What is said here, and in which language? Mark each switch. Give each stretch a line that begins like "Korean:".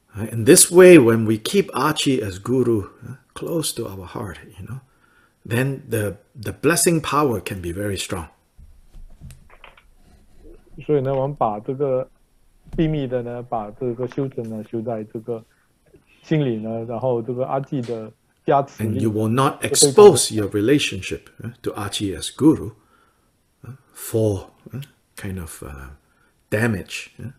English: In this way, when we keep Achi as Guru close to our heart, you know, then the blessing power can be very strong.
Chinese: 所以呢，我们把这个 秘密的呢，把这个修整呢修在这个心里呢，然后这个阿纪的加持。And
English: you will not expose your relationship to Achi as Guru for kind of damage.